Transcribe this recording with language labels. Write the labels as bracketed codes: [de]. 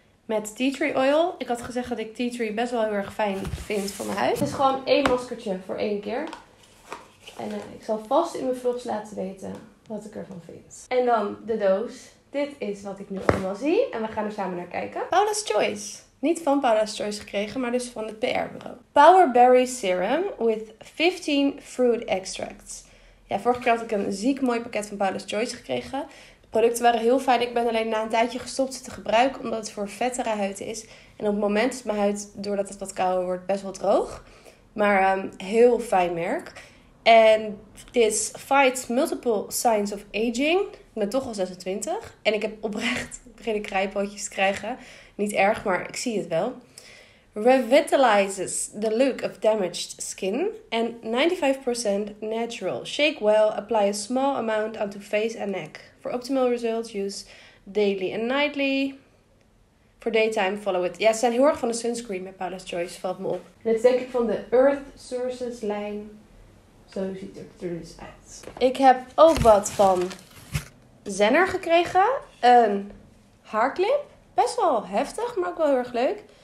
[nl] Met tea tree oil. Ik had gezegd dat ik tea tree best wel heel erg fijn vind voor mijn huid. Het is gewoon 1 maskertje voor 1 keer. En ik zal vast in mijn vlogs laten weten wat ik ervan vind. En dan de doos. Dit is wat ik nu allemaal zie. En we gaan er samen naar kijken. Paula's Choice. Niet van Paula's Choice gekregen, maar dus van het PR-bureau. [en] Power Berry Serum with 15 fruit extracts. [nl] Ja, vorige keer had ik een ziek mooi pakket van Paula's Choice gekregen. Producten waren heel fijn. Ik ben alleen na een tijdje gestopt te gebruiken. Omdat het voor vettere huid is. En op het moment is mijn huid, doordat het wat kouder wordt, best wel droog. Maar heel fijn merk. En dit [en] fights multiple signs of aging. [nl] Ik ben toch al 26. En ik heb oprecht beginnen krijpootjes te krijgen. Niet erg, maar ik zie het wel. [en] Revitalizes the look of damaged skin. And 95% natural. Shake well, apply a small amount onto face and neck. For optimal results, use daily and nightly. For daytime, follow it. [nl] Ja, ze zijn heel erg van de sunscreen met Paula's Choice. Valt me op. Dit is denk ik van de Earth Sources lijn. Zo ziet het er dus uit. Ik heb ook wat van Zenner gekregen. Een haarclip. Best wel heftig, maar ook wel heel erg leuk.